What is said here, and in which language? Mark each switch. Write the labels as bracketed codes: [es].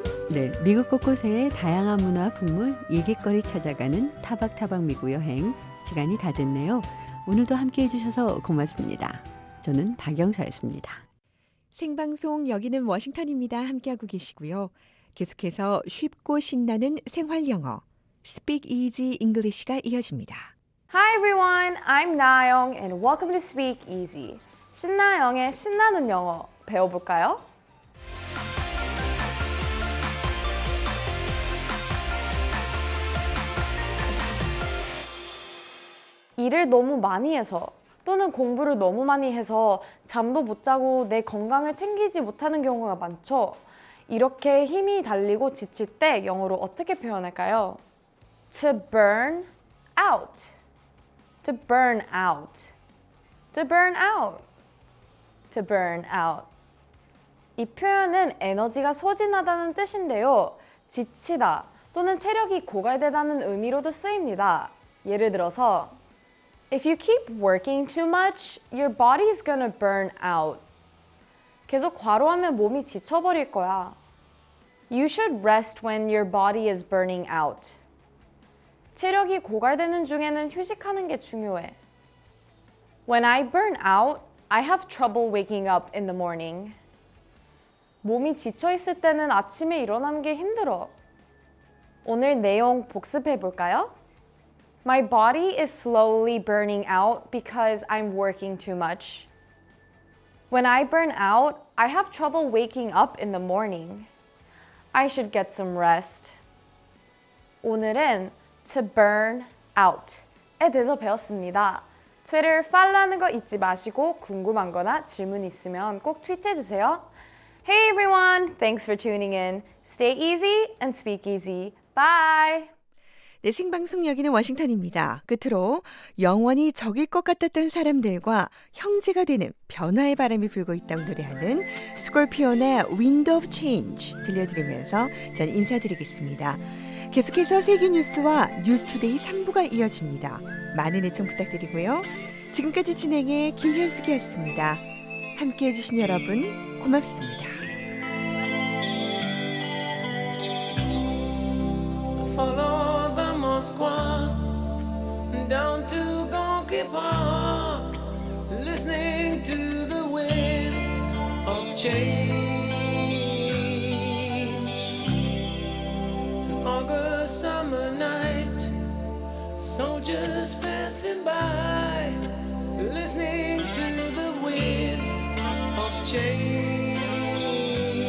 [ko] 네, 미국 곳곳에 다양한 문화, 풍물, 얘기거리 찾아가는 타박타박 미국 여행 시간이 다 됐네요. 오늘도 함께해 주셔서 고맙습니다. 저는 박영사였습니다. 생방송 여기는 워싱턴입니다. 함께하고 계시고요. 계속해서 쉽고 신나는 생활 영어 Speak Easy English가 이어집니다. [en] Hi everyone, I'm Nayoung and welcome to Speak Easy. [ko] 신나영의 신나는 영어 배워볼까요? 일을 너무 많이 해서 또는 공부를 너무 많이 해서 잠도 못 자고 내 건강을 챙기지 못하는 경우가 많죠. 이렇게 힘이 달리고 지칠 때 영어로 어떻게 표현할까요? [en] To burn out. To burn out. To burn out. To burn out. [ko] 이 표현은 에너지가 소진하다는 뜻인데요. 지치다 또는 체력이 고갈되다는 의미로도 쓰입니다. 예를 들어서 [en] If you keep working too much, your body is gonna burn out. [ko] 계속 과로하면 몸이 지쳐버릴 거야. [en] You should rest when your body is burning out. [ko] 체력이 고갈되는 중에는 휴식하는 게 중요해. [en] When I burn out, I have trouble waking up in the morning. [ko] 몸이 지쳐 있을 때는 아침에 일어나는 게 힘들어. 오늘 내용 복습해 볼까요? [en] My body is slowly burning out because I'm working too much. When I burn out, I have trouble waking up in the morning. I should get some rest. [ko] 오늘은 to burn out에 대해서 배웠습니다. 트위터 팔로우하는 거 잊지 마시고 궁금한 거나 질문 있으면 꼭 트윗해 주세요. [en] Hey everyone, thanks for tuning in. Stay easy and speak easy. Bye! [ko] 네, 생방송 여기는 워싱턴입니다. 끝으로 영원히 적일 것 같았던 사람들과 형제가 되는 변화의 바람이 불고 있다고 노래하는 스콜피온의 Wind of Change 들려드리면서 전 인사드리겠습니다. 계속해서 세계 뉴스와 뉴스투데이 3부가 이어집니다. 많은 애청 부탁드리고요. 지금까지 진행해 김현숙이었습니다. 함께해 주신 여러분 고맙습니다. [en] Moscow, down to Gonky Park, listening to the wind of change. An August summer night, soldiers passing by, listening to the wind of change.